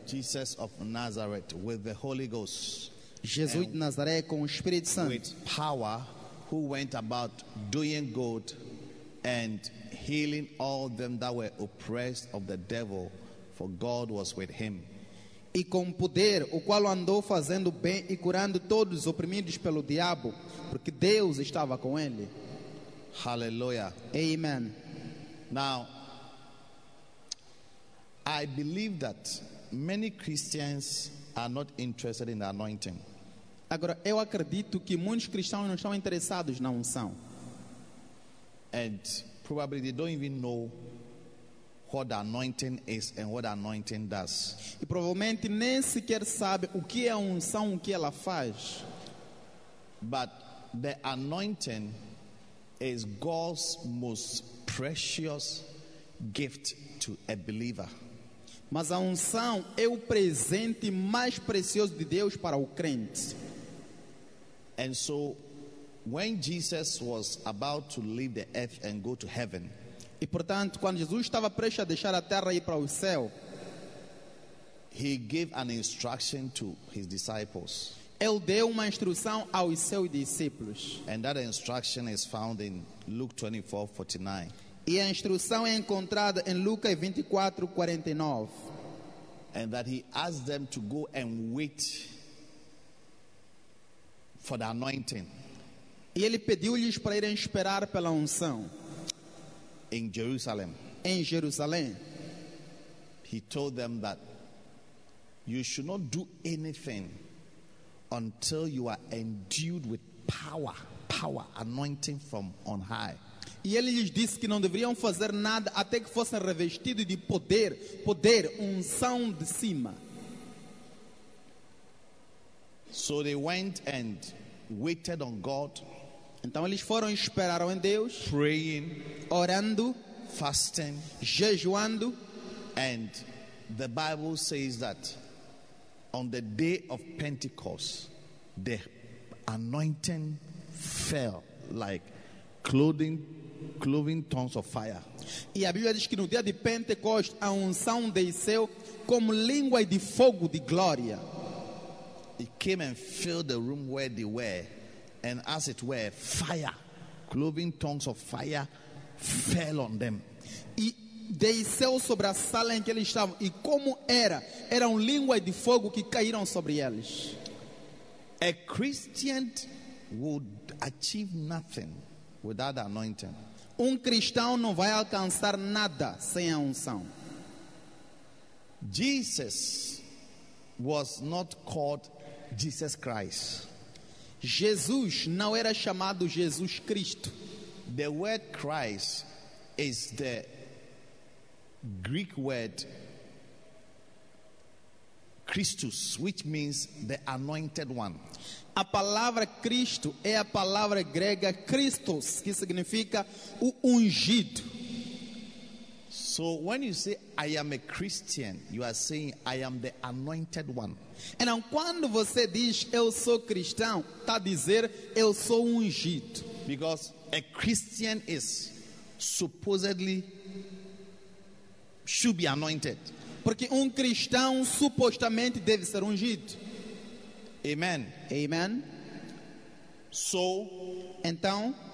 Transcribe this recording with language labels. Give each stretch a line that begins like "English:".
English: Jesus of Nazareth with the Holy Ghost.
Portuguese: Jesus de Nazaré com o Espírito Santo.
English: With power, who went about doing good and healing all them that were oppressed of the devil, for God was with him.
Portuguese: E com poder, o qual andou fazendo bem e curando todos oprimidos pelo diabo, porque Deus estava com ele.
English: Hallelujah. Amen. Now, I believe that many Christians are not interested in the anointing.
Portuguese: Agora, eu acredito que muitos cristãos não estão interessados na unção.
English: And probably they don't even know what the anointing is and what the anointing does.
Portuguese: E provavelmente nem sequer sabe o que é a unção, o que ela faz.
English: But the anointing is God's most precious gift to a believer.
Portuguese: Mas a unção é o presente mais precioso de Deus para o crente.
English: And so, when Jesus was about to leave the earth and go to heaven,
Portuguese: e portanto, quando Jesus estava prestes a deixar a terra e ir para o céu,
English: he gave an instruction to his disciples.
Portuguese: Ele deu uma instrução aos seus discípulos.
English: And that instruction is found in Luke 24:49.
Portuguese: E a instrução é encontrada em Lucas 24:49.
English: And that he asked them to go and wait for the anointing.
Portuguese: E ele pediu-lhes para irem esperar pela unção.
English: In Jerusalem.
Portuguese: Em Jerusalém.
English: He told them that you should not do anything until you are endued with power, anointing from on high.
Portuguese: E ele lhes disse que não deveriam fazer nada até que fossem revestidos de poder, unção de cima.
English: So they went and waited on God.
Portuguese: Então eles foram e esperaram em Deus.
English: Praying,
Portuguese: orando,
English: fasting,
Portuguese: jejuando.
English: And the Bible says that on the day of Pentecost, the anointing fell like clothing tongues of fire.
Portuguese: E a Bíblia diz que no dia de Pentecostes a unção desceu como língua de fogo de glória.
English: It came and filled the room where they were, and as it were fire, clothing tongues of fire fell on them.
Portuguese: E desceu sobre a sala em que eles estavam, e como era um língua de fogo que caíram sobre eles.
English: A Christian would achieve nothing without the anointing.
Portuguese: Um cristão não vai alcançar nada sem a unção.
English: Jesus was not called Jesus Christ.
Portuguese: Jesus não era chamado Jesus Cristo.
English: The word Christ is the Greek word Christus, which means the anointed one.
Portuguese: A palavra Cristo é a palavra grega Christos, que significa o ungido.
English: So when you say I am a Christian, you are saying I am the anointed one.
Portuguese: Então quando você diz eu sou cristão, tá dizer eu sou ungido.
English: Because a Christian is supposedly should be anointed.
Portuguese: Porque cristão supostamente deve ser ungido.
English: Amen.
Portuguese: Amen.
English: So,
Portuguese: então,